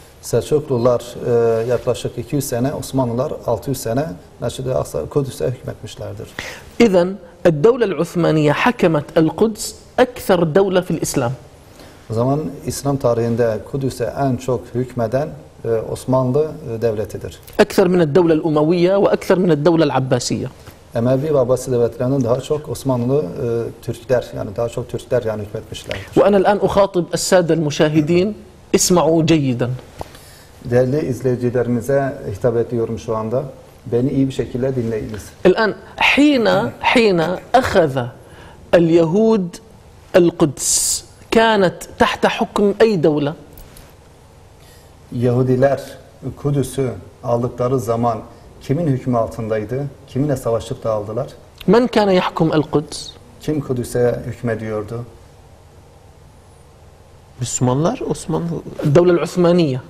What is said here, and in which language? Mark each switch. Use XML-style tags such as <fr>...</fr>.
<tr>Selçuklular yaklaşık 200 sene, Osmanlılar 600 sene Mescid-i Aksa Kudüs'e hükmetmişlerdir.</tr> <ar>İzen el-Devlel Uthmaniye hakemet el-Kudüs أكثر دولة في الإسلام. زمان إسلام</ar> <tr>tarihinde Kudüs'e en çok hükmeden Osmanlı devletidir.</tr> <ar>أكثر من الدولة الأموية وأكثر من الدولة العباسية.</ar> <tr>Emevi ve Abbasi devletlerinden daha çok Osmanlı Türkler yani daha çok Türkler yani hükmetmişlerdir.</tr> <ar>وأنا الآن أخاطب السادة المشاهدين اسمعوا جيدا.</ar> <tr>Değerli izleyicilerimize hitap ediyorum şu anda. beni iyi bir şekilde dinleyiniz.</tr> <ar>الآن حين أخذ اليهود القدس كانت تحت حكم أي دولة؟</ar> <tr>Yahudiler Kudüs'ü aldıkları zaman kimin hükmü altındaydı? Kiminle savaşıp da aldılar?</tr> <ar>Men kana yahkum el-Kudüs?</ar> <tr>Kim Kudüs'e hükmediyordu? Müslümanlar, Osmanlı. Devlet-i</tr>